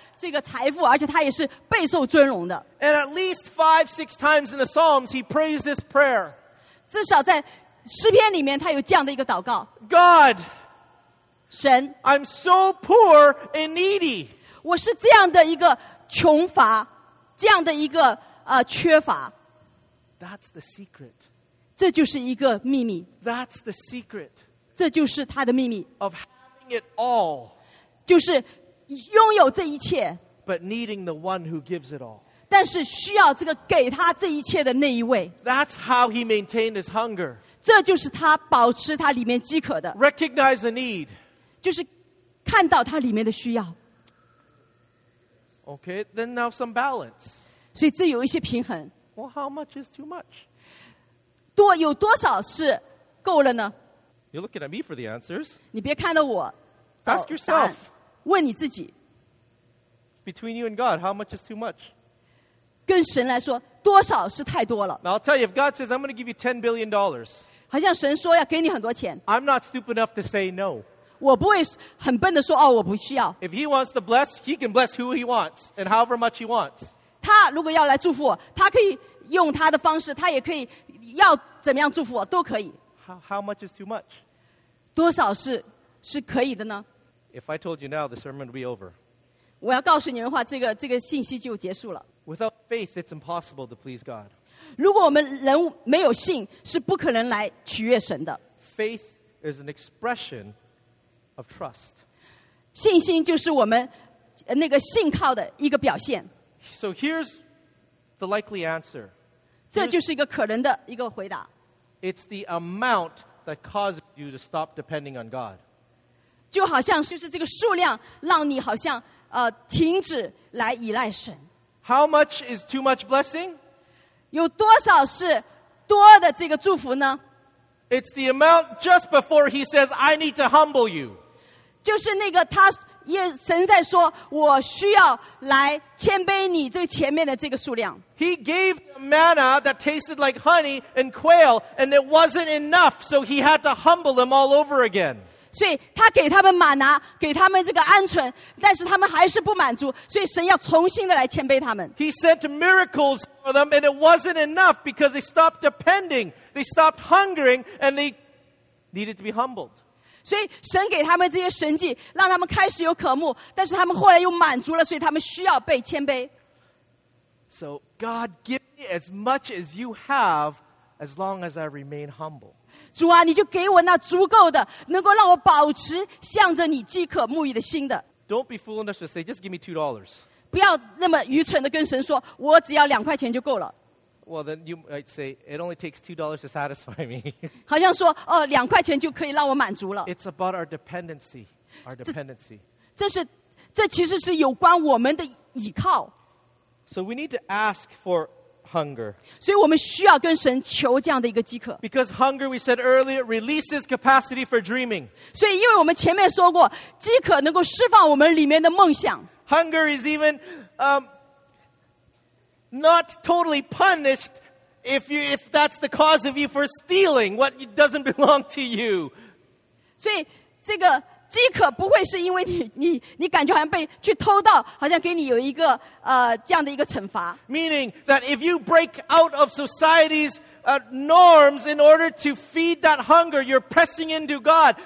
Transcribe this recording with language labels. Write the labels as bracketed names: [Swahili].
[Chinese] 所以你没有任何东西能够增加他的这个财富，而且他也是备受尊荣的。 [English] And at least 5-6 times in the Psalms, he prays this prayer. [Chinese] 至少在诗篇里面，他有这样的一个祷告。 [English] God, [Chinese] 神, [English] I'm so poor and needy. [Chinese] 我是这样的一个穷乏，这样的一个。缺乏。 [English] That's the secret. [Chinese] 这就是一个秘密。 [English] That's the secret. [Chinese] 这就是他的秘密。 [English] Of having it all. [Chinese] 就是拥有这一切。 [English] But needing the one who gives it all. [Chinese] 但是需要这个给他这一切的那一位。 [English] That's how he maintained his hunger. [Chinese] 这就是他保持他里面饥渴的。 [English] Recognize the need. [Chinese] 就是看到他里面的需要。 [English] Okay, then now some balance. [Chinese] 所以这有一些平衡。 [English] Well, how much is too much? [Chinese] 多有多少是够了呢？ [English] You're looking at me for the answers. [Chinese] 你别看到我, [English] Ask yourself. [Chinese] 问你自己, [English] Between you and God, how much is too much? [Chinese] 跟神来说, [English] Now I'll tell you, if God says, I'm going to give you $10 billion, [Chinese] 好像神说要给你很多钱, [English] I'm not stupid enough to say no. [Chinese] 我不会很笨地说, [English] if he wants to bless, he can bless who he wants and however much he wants. [Chinese] 他如果要来祝福我, 他可以用他的方式, 他也可以要怎么样祝福我, [English] How much is too much? [Chinese] 多少是可以的呢? [English] If I told you now, the sermon would be over. [Chinese] 我要告诉你们的话, 这个信息就结束了。 [English] Without faith, it's impossible to please God. [Chinese] 如果我们人没有信, 是不可能来取悦神的。 [English] Faith is an expression of trust. [Chinese] 信心就是我们, 那个信靠的一个表现。 [English] So here's the likely answer. [Chinese] 这就是一个可能的一个回答。 [English] It's the amount that causes you to stop depending on God. [Chinese] 就好像是这个数量让你好像, 停止来依赖神。 [English] How much is too much blessing? [Chinese] 有多少是多的这个祝福呢? [English] It's the amount just before he says, I need to humble you. [Chinese] 就是那个他神在说, 我需要来谦卑你这前面的这个数量。 [English] He gave manna that tasted like honey and quail, and it wasn't enough, so he had to humble them all over again. [Chinese] 所以他给他们玛拿, 给他们这个鹌鹑, 但是他们还是不满足, 所以神要重新的来谦卑他们。 [English] He sent miracles for them, and it wasn't enough because they stopped depending, they stopped hungering, and they needed to be humbled. [Chinese] 所以神给他们这些神迹, 让他们开始有渴慕, 但是他们后来又满足了, 所以他们需要被谦卑。 [English] So God, give me as much as you have as long as I remain humble. [Chinese] 主啊, 你就给我那足够的, 能够让我保持向着你饥渴慕义的心的。 [English] Don't be fool enough to say, just give me $2. [Chinese] 不要那么愚蠢地跟神说, 我只要2块钱就够了。 [English] Well, then you might say, it only takes $2 to satisfy me. [Chinese] 好像说, 哦, 2块钱就可以让我满足了。 [English] It's about our dependency, our dependency. [Chinese] 这其实是有关我们的依靠。 [English] So we need to ask for hunger. [Chinese] 所以我们需要跟神求这样的一个饥渴。 [English] Because hunger, we said earlier, releases capacity for dreaming. [Chinese] 所以因为我们前面说过, 饥渴能够释放我们里面的梦想。 [English] Hunger is even not totally punished if that's the cause of you for stealing what doesn't belong to you. [Chinese] 所以这个 饥渴不会是因为你感觉好像被去偷盗，好像给你有一个这样的一个惩罚。 [English] Meaning that if you break out of society's norms in order to feed that hunger, you're pressing into God.